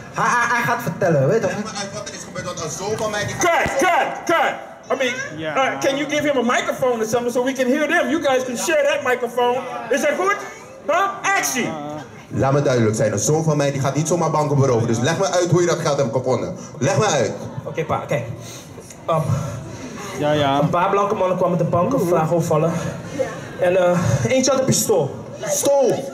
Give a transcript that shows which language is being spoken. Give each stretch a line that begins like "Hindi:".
Dutch: Hij gaat vertellen, weet je toch? Wat er is gebeurd, dat een zoon van mij... Kut!
English: I mean, can you give him a microphone or something so we can hear them? You guys can share that microphone.
Dutch: Is dat goed? Huh? Actie! Laat me duidelijk zijn, een zoon van mij die gaat niet zomaar banken beroven. Dus leg me uit hoe je dat geld hebt gevonden. Leg me uit. Oké, pa, kijk. Ja. Een paar blanke mannen kwamen de banken vragen overvallen. Ja. En eentje had een pistool. Stool?